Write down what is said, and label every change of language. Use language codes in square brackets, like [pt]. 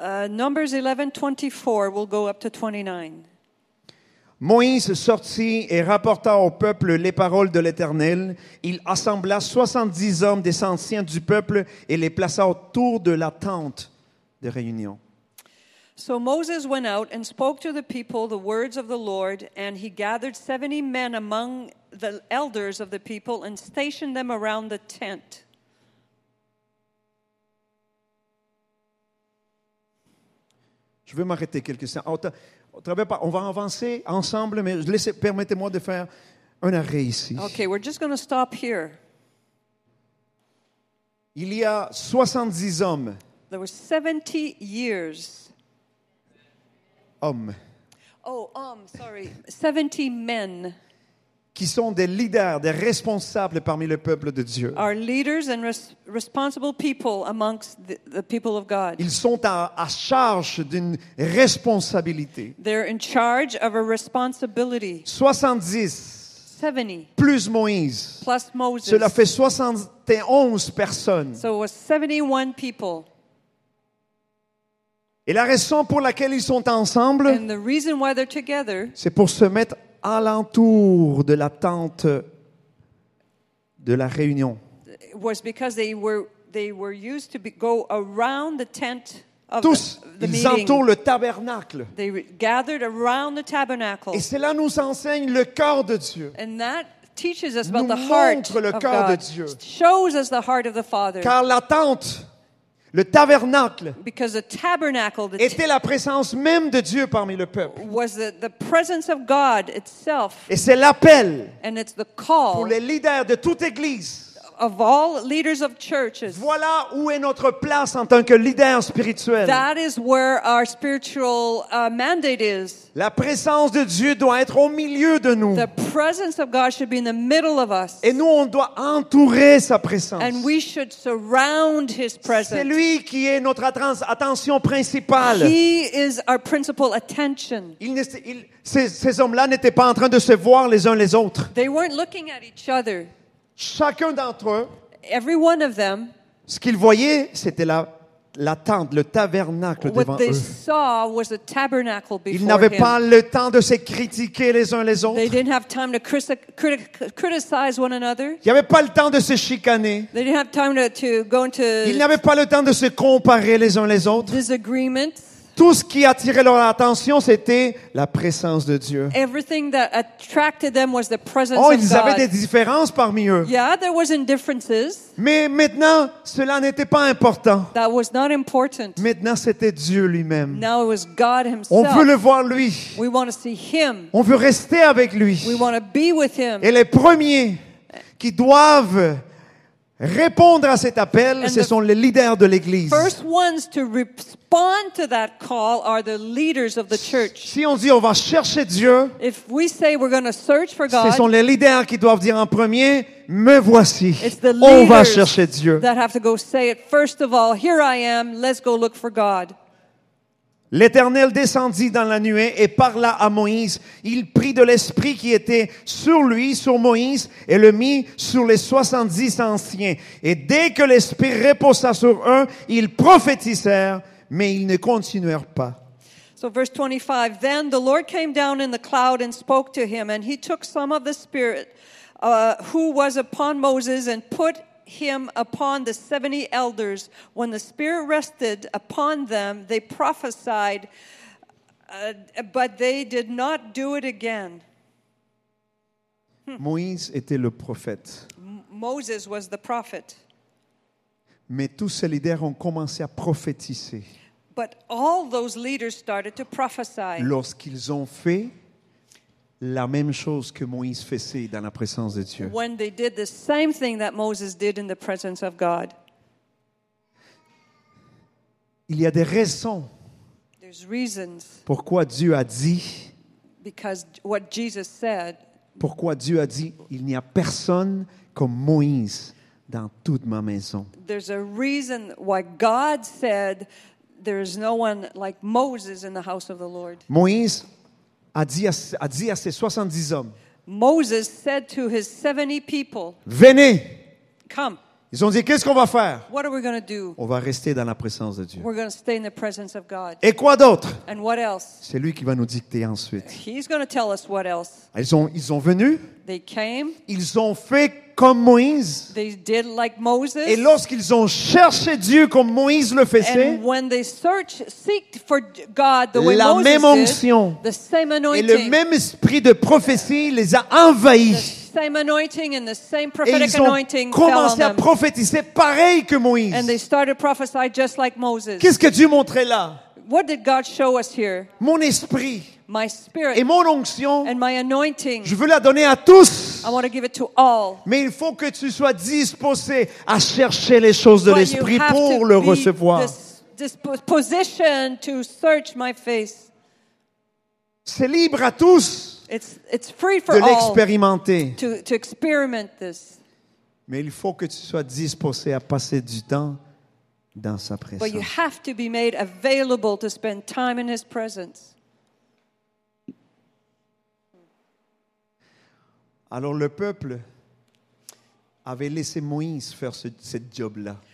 [en] Numbers 11, 24, we'll go up to 29. [fr] Moïse sortit et rapporta au peuple les paroles de l'Éternel. Il assembla 70 hommes des anciens du peuple et les plaça autour de la tente de réunion. [en] So Moses went out and spoke to the people the words of the Lord, and he gathered 70 men among the elders of the people and stationed them around the tent. [fr] Je veux m'arrêter quelques instants. On va avancer ensemble, mais permettez-moi de faire un arrêt ici. [en] Okay, we're just going to stop here. [fr] Il y a 70 hommes. [en] There were 70 years. [fr] Hommes. [en] Oh, sorry. 70 men. [fr] Qui sont des leaders, des responsables parmi le peuple de Dieu. [en] Are leaders and responsible people amongst the people of God. [fr] Ils sont à charge d'une responsabilité. [en] They're in charge of a responsibility. [fr] 70. [en] 70. [fr] Plus Moïse. [en] Plus Moses. [fr] Cela fait 71 personnes. [en] So it was 71 people. [fr] Et la raison pour laquelle ils sont ensemble, [en] and the reason why they're together, [fr] c'est pour se mettre alentour de la tente de la réunion. [en] Was because they were used to go around the tent of [fr] tous, [en] the [fr] ils entourent le tabernacle. [en] They gathered around the tabernacle. [fr] Et cela nous enseigne le cœur de Dieu. [en] And that teaches us [fr] nous [en] about the heart [fr] le cœur de Dieu. [en] Shows us the heart of the Father. [fr] Car la tente, le tabernacle, [en] because the tabernacle, the [fr] était la présence même de Dieu parmi le peuple. [en] Was the presence of God itself. [fr] Et c'est l'appel [en] and it's the call [fr] pour les leaders de toute église [en] of all leaders of churches. [fr] Voilà où est notre place en tant que leader spirituel. [en] That is where our spiritual mandate is. [fr] La présence de Dieu doit être au milieu de nous. [en] The presence of God should be in the middle of us. [fr] Et nous, on doit entourer sa présence. [en] And we should surround his presence. [fr] C'est lui qui est notre attention principale. [en] He is our principal attention. [fr] Ces hommes-là n'étaient pas en train de se voir les uns les autres. [en] They weren't looking at each other. [fr] Chacun d'entre eux, [en] every one of them, [fr] ce qu'ils voyaient, c'était la tente, le tabernacle [en] what [fr] devant [en] they [fr] eux. [en] Saw was a tabernacle before [fr] ils n'avaient [en] him. [fr] Pas le temps de se critiquer les uns les autres. [en] They didn't have time to criticize one another. [fr] Ils n'avaient pas le temps de se chicaner. [en] They didn't have time to go into [fr] ils n'avaient pas le temps de se comparer les uns les autres. [en] Disagreement. [fr] Tout ce qui attirait leur attention, c'était la présence de Dieu. [en] Everything that attracted them was the presence of God. [fr] Oh, ils avaient des différences parmi eux. [en] Yeah, there was differences. [fr] Mais maintenant, cela n'était pas important. [en] That was not important. [fr] Maintenant, c'était Dieu lui-même. [en] Now it was God himself. [fr] On veut le voir lui. [en] We want to see him. [fr] On veut rester avec lui. [en] We want to be with him. [fr] Et les premiers qui doivent répondre à cet appel, ce sont les leaders de l'Église. [en] First ones to respond to that call are the leaders of the church. [fr] Si on dit on va chercher Dieu, [en] if we say we're going to search for God, [fr] ce sont les leaders qui doivent dire en premier, me voici. On va chercher Dieu. [en] That have to go say it first of all. Here I am. Let's go look for God. [fr] L'Éternel descendit dans la nuée et parla à Moïse. Il prit de l'Esprit qui était sur lui, sur Moïse, et le mit sur les 70 anciens. Et dès que l'Esprit reposa sur eux, ils prophétisèrent, mais ils ne continuèrent pas. [en] So verse 25, then the Lord came down in the cloud and spoke to him, and he took some of the Spirit who was upon Moses and put him upon the 70 elders. When the Spirit rested upon them, they prophesied, but they did not do it again. [fr] Moïse était le prophète. [en] Moses was the prophet. [fr] Mais tous ces leaders ont commencé à prophétiser. [en] But all those leaders started to prophesy. [fr] Lorsqu'ils ont fait la même chose que Moïse faisait dans la présence de Dieu. [en] When they did the same thing that Moses did in the presence of God. [fr] Il y a des raisons. [en] There's reasons. [fr] Pourquoi Dieu a dit? [en] Because what Jesus said. [fr] Pourquoi Dieu a dit il n'y a personne comme Moïse dans toute ma maison. [en] There's a reason why God said there is no one like Moses in the house of the Lord. [fr] Moïse a dit à ses 70 hommes. [en] Moses said to his 70 people. [fr] Venez. [en] Come. [fr] Ils ont dit qu'est-ce qu'on va faire? [en] What are we going to do? [fr] On va rester dans la présence de Dieu. [en] We're going to stay in the presence of God. [fr] Et quoi d'autre? [en] And what else? [fr] C'est lui qui va nous dicter ensuite. [en] He's going to tell us what else. [fr] Ils sont venus. [en] They came. [fr] Ils ont fait comme Moïse. [en] They did like Moses. [fr] Et lorsqu'ils ont cherché Dieu comme Moïse le faisait, [en] and when they searched for God the way [fr] la [en] Moses [fr] même onction [en] did, the same anointing, [fr] et le même esprit de prophétie les a envahis. [en] The same anointing and the same prophetic anointing fell on them. [fr] Et ils ont commencé à prophétiser pareil que Moïse. [en] And they started to prophesy just like Moses. [fr] Qu'est-ce que Dieu montrait là? [en] What did God show us here? [fr] Mon esprit. [en] My spirit [fr] et mon onction, [en] and my anointing, [fr] je veux la donner à tous. [en] I want to give it to all. [fr] Mais il faut que tu sois disposé à chercher les choses de [en] but [fr] l'esprit pour le recevoir. [en] Disposition to search my face. [fr] C'est libre à tous [en] it's free for [fr] de l'expérimenter. [en] All to experiment this. [fr] Mais il faut que tu sois disposé à passer du temps dans sa présence. [en] But you have to be made available to spend time in his presence. [fr] Alors le peuple avait laissé Moïse faire ce job-là.